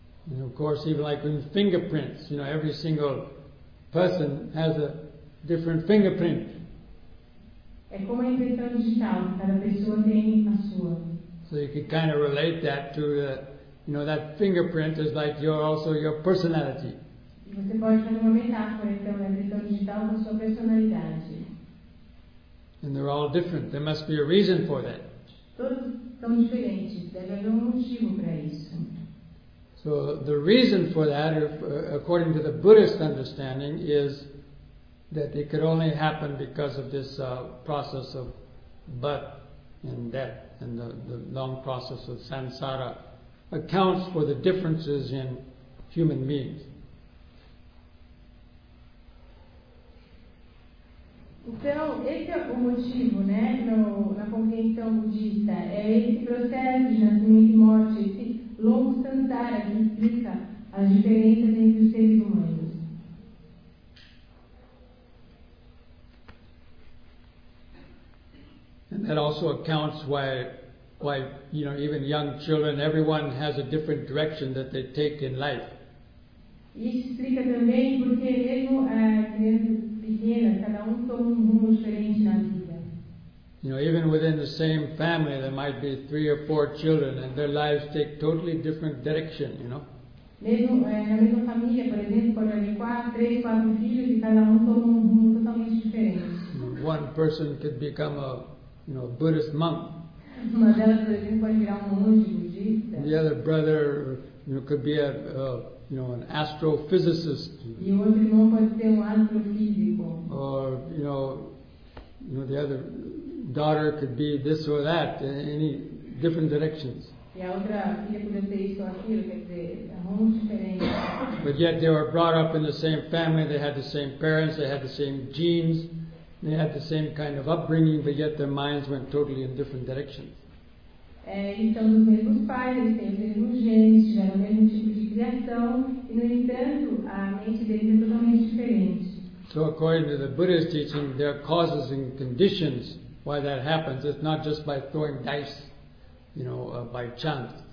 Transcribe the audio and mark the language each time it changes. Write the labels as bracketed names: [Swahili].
[English] And of course, even like in fingerprints, you know, every single person has a different fingerprint. [Portuguese] É como a impressão digital, cada pessoa tem a sua. [English] So you could kind of relate that to the, you know, that fingerprint is like your, also your personality. [Portuguese] Você pode fazer uma metáfora, então, da impressão digital da sua personalidade. [English] And they're all different. There must be a reason for that. [Portuguese] Todos são diferentes. Deve haver motivo para isso. [English] So the reason for that, if, according to the Buddhist understanding, is that it could only happen because of this process of birth and death, and the long process of samsara accounts for the differences in human beings. [Portuguese] Então, esse é o motivo, né, no, na compreensão budista, é esse processo de nascimento e morte, esse longo samsara que explica as diferenças entre os seres humanos. [English] And that also accounts why, you know, even young children, everyone has a different direction that they take in life. [Portuguese] Isso explica também porque mesmo crianças pequenas, cada toma rumo diferente na vida. [English] You know, even within the same family, there might be three or four children, and their lives take totally different direction. You know. [Portuguese] Mesmo na mesma família, por exemplo, pode haver três, quatro filhos e cada toma rumo totalmente diferente. [English] One person could become a, you know, Buddhist monk. [Portuguese] Uma delas, por exemplo, pode virar monge budista. [English] The other brother, you know, could be a you know, an astrophysicist. [Portuguese] E o outro irmão pode ser astrofísico. [English] Or, you know, the other daughter could be this or that, in any different directions. [Portuguese] E a outra filha pode ser isso ou aquilo, quer dizer, rumo diferente. [English] But yet they were brought up in the same family, they had the same parents, they had the same genes, they had the same kind of upbringing, but yet their minds went totally in different directions. [Portuguese] Eles são dos mesmos pais, eles têm os mesmos genes, tiveram o mesmo tipo de criação, E, no entanto, a mente deles é totalmente diferente. [English] So according to the Buddha's teaching, there are causes and conditions why that happens. It's not just by throwing dice, you know, by chance.